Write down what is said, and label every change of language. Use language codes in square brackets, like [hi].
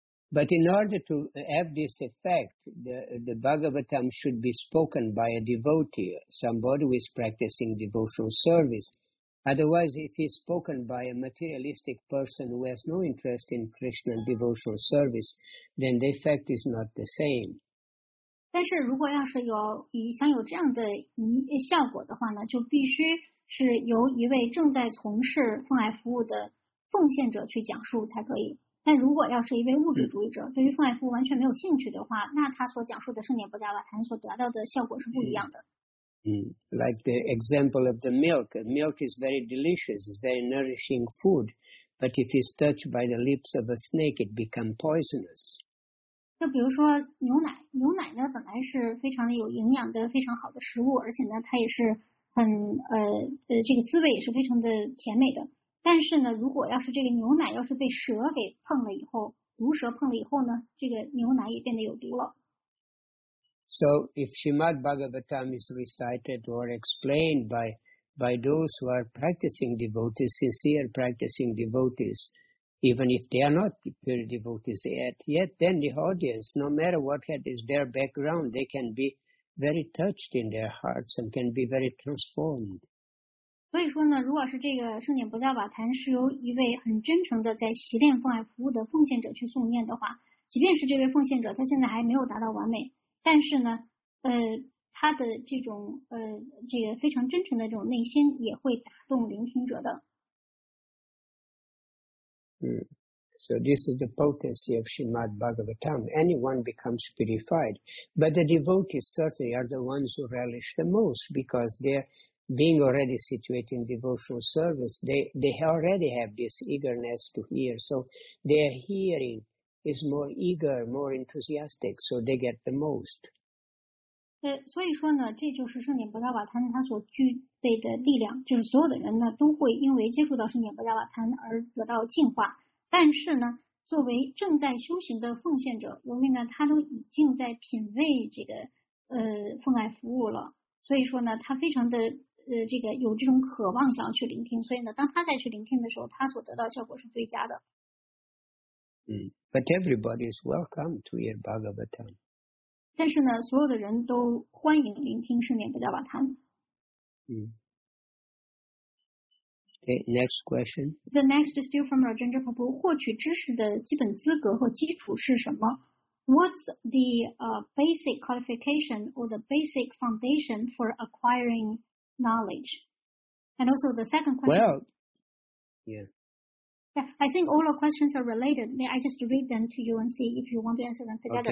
[en] But in order to have this effect, the Bhagavatam should be spoken by a devotee, somebody who is practicing devotional service. Otherwise, if it is spoken by a materialistic person who has no interest in Krishna and devotional service, then the effect is not the same. [zh] 但是如果要是想有这样的效果的话呢，就必须是由一位正在从事奉爱服务的奉献者去讲述才可以。但如果要是一位物质主义者，对于奉爱服务完全没有兴趣的话，那他所讲述的圣典博达瓦坛所得到的效果是不一样的。 [en] Like the example of the milk. Milk is very delicious, it's very nourishing food. But if it's touched by the lips of a snake, it becomes poisonous. [zh] 就比如说牛奶呢本来是非常的有营养的非常好的食物，而且呢它也是很这个滋味也是非常的甜美的。但是呢，如果要是这个牛奶要是被蛇给碰了以后，毒蛇碰了以后呢，这个牛奶也变得有毒了。 [en] So if Srimad Bhagavatam is recited or explained by those who are practicing devotees, sincere practicing devotees, even if they are not pure devotees yet, then the audience, no matter what is their background, they can be very touched in their hearts and can be very transformed. [zh] 所以说呢，如果是这个圣典博达瓦坛是由一位很真诚的在习练奉爱服务的奉献者去诵念的话，即便是这位奉献者他现在还没有达到完美，但是呢他的这种这个非常真诚的这种内心也会打动聆听者的。 [en] So this is the potency of Srimad Bhagavatam. Anyone becomes purified. But the devotees certainly are the ones who relish the most because they're. Being already situated in devotional service, they already have this eagerness to hear. So their hearing is more eager, more enthusiastic, so they get the most. [zh] 所以说呢，这就是圣典博达瓦坛它所具备的力量，就是所有的人呢都会因为接触到圣典博达瓦坛而得到净化。但是呢，作为正在修行的奉献者，由于呢他都已经在品味这个奉爱服务了，所以说呢，他非常的。这个有这种渴望想要去聆听，所以呢，当他再去聆听的时候，他所得到效果是最佳的。 [en] But everybody is welcome to hear Bhagavatam. [zh] 但是呢，所有的人都欢迎聆听圣典博达瓦坛。 [en] Okay, next question. The next is still from Rajendra Prabhu. [zh] 获取知识的基本资格和基础是什么？ [en] What's the basic qualification or the basic foundation for acquiring? Knowledge. And also the second question. Well, yeah. I think all the questions are related. May I just read them to you and see if you want to answer them together?